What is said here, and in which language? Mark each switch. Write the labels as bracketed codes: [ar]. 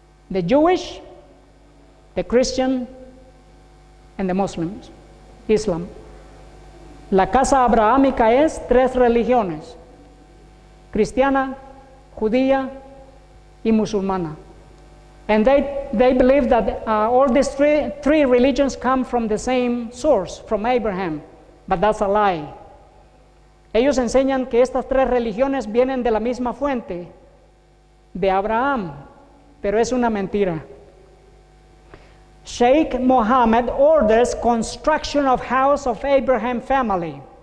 [en] The Jewish, the Christian, and the Muslims, Islam. [es] La casa abrahámica es tres religiones, cristiana, judía, y musulmana. [en] And they believe that all these three religions come from the same source, from Abraham, but that's a lie. [es] Ellos enseñan que estas tres religiones vienen de la misma fuente, de Abraham. Pero es una mentira. [en] Sheikh Mohammed orders construction of house of Abraham family.